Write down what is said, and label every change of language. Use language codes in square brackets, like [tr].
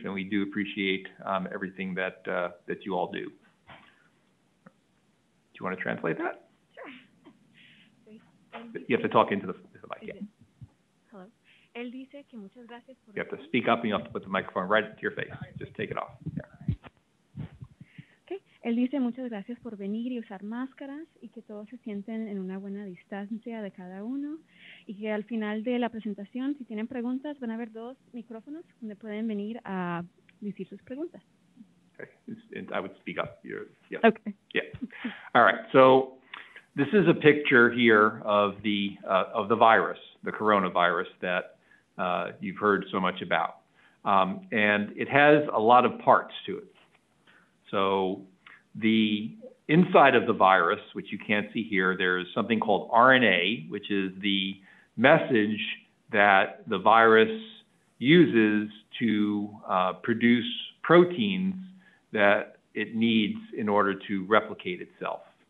[en] And we do appreciate everything that that you all do. Do you want to translate that? Sure. You have to talk into the mic. Yeah. Hello. [es] Él dice que muchas gracias por [en] you have to speak up, and you have to put the microphone right to your face. Just take it off. Okay. [es] Él dice muchas gracias por venir y usar máscaras y que todos se sienten en una buena distancia de cada uno y que al final de la presentación, si tienen preguntas, van a haber dos micrófonos donde pueden venir a decir sus preguntas. [en] Okay. I would speak up. Yeah. All right. So this is a picture here of the virus, the coronavirus that you've heard so much about. And it has a lot of parts to it. So the inside of the virus, which you can't see here, there's something called RNA, which is the message that the virus uses to produce proteins that it needs in order to replicate itself.